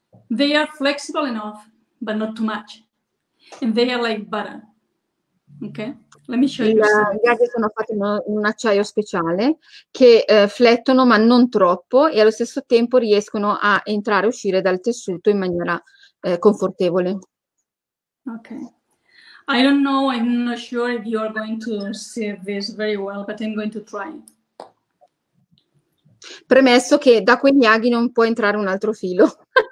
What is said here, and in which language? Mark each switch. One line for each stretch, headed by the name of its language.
English: They are flexible enough, but not too much. And they are like butter. Okay, let me show you.
Italian: Gli aghi sono fatti in un acciaio speciale che flettono, ma non troppo, e allo stesso tempo riescono a entrare e uscire dal tessuto in maniera confortevole.
English: Okay. I don't know, I'm not sure if you're going to see this very well, but I'm going to try.
Italian: Premesso che da quegli aghi non può entrare un altro filo.